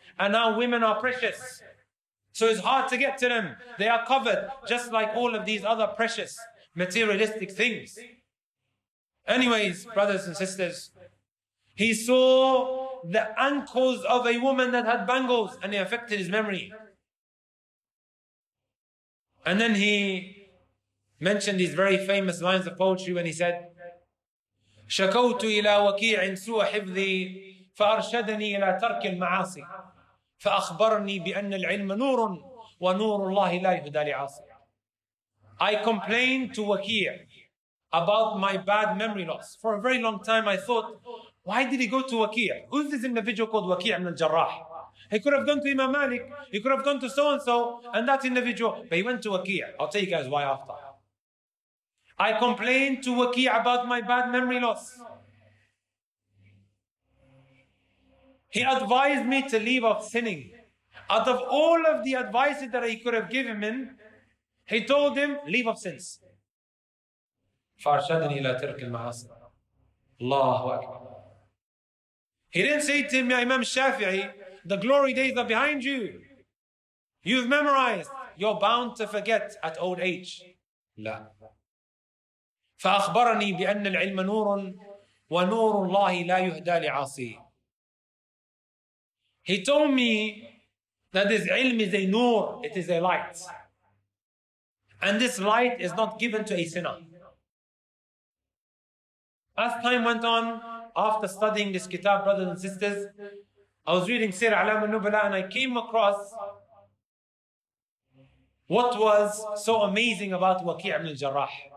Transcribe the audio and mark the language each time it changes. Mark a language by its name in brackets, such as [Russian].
[English] And now women are precious. So it's hard to get to them. They are covered just like all of these other precious materialistic things. Anyways, brothers and sisters, he saw the ankles of a woman that had bangles and it affected his memory. And then he mentioned these very famous lines of poetry when he said, [Arabic] شَكَوْتُ إِلَىٰ وَكِيعٍ سُوَ حِفْظِي فَأَرْشَدَنِي إِلَىٰ تَرْكِ الْمَعَاصِي فَأَخْبَرْنِي بِأَنَّ الْعِلْمَ نُورٌ وَنُورُ اللَّهِ لَا يُهْدَى لِعَاصِي. [English] I complained to Waqi' about my bad memory loss. For a very long time I thought, why did he go to Waqi'? Who's this individual called Waqi' ibn al-Jarrah? He could have gone to Imam Malik. He could have gone to so-and-so and that individual. But he went to Waqi'. I'll tell you guys why after. I complained to Waqi' about my bad memory loss. He advised me to leave off sinning. Out of all of the advices that he could have given him, he told him, leave off sins. [Arabic] فَأَرْشَدَنِي إِلَىٰ تِرْكِ الْمَعَاصِي. Allahu Akbar. [English] He didn't say to him, "Ya Imam Shafi'i, the glory days are behind you. You've memorized. You're bound to forget at old age." [Arabic] لا. فأخبرني بأن العلم نور ونور الله لا يهدى لعاصي. [English] He told me that this ilm is a nur, it is a light. And this light is not given to a sinner. As time went on, after studying this kitab, brothers and sisters, I was reading Sir Alam al-Nubala and I came across what was so amazing about Waqi' ibn al-Jarrah.